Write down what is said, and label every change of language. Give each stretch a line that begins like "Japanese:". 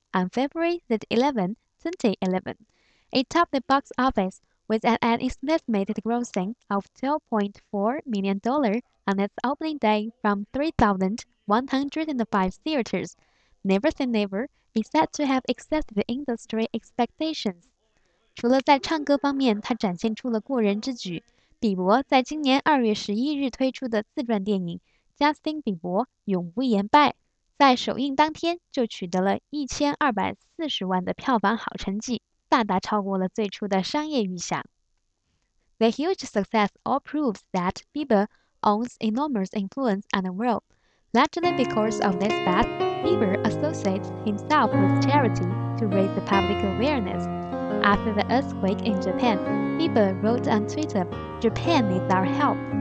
English: On February 11, 2011, it topped the box office with an estimated grossing of $12.4 million on its opening day from 3,105 theaters. Never Say Never is said to have exceeded industry expectations.
Chinese: 除了在唱歌方面他展现出了过人之举，比伯在今年2月11日推出的自传电影《Justin 比伯永不言败》在首映当天就取得了1240万的票房好成绩，大大超过了最初的商业预想。
English: The huge success all proves that Bieber owns enormous influence on the world. Largely because of this fact, Bieber associates himself with charity to raise the public awareness. After the earthquake in Japan, Bieber wrote on Twitter, "Japan needs our help.